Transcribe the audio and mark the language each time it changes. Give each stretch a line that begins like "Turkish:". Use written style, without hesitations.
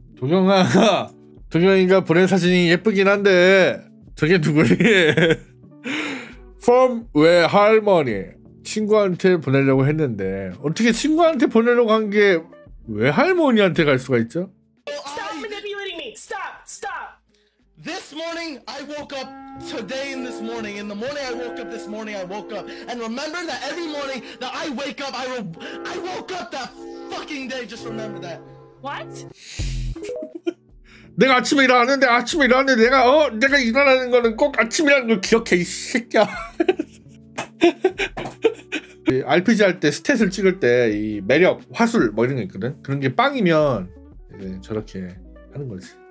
Korean: 도경아, 도경이가 보낸 사진이 예쁘긴 한데 저게 누구니? From 왜 할머니 친구한테 보내려고 했는데 어떻게 친구한테 보내려고 한 게 왜 할머니한테 갈 수가 있죠?
English: Stop manipulating me. Stop. Stop. This morning I woke up today in this morning in the morning I woke up this morning I woke up and remember that every morning that I wake up I woke up that fucking day just remember that. What?
Korean: 내가 아침에 일어났는데 아침에 일어났는데 내가 어 내가 일어나는 거는 꼭 아침이라는 걸 기억해 이 새끼야. RPG 할 때 스탯을 찍을 때 이 매력, 화술 뭐 이런 거 있거든. 그런 게 빵이면 저렇게 하는 거지.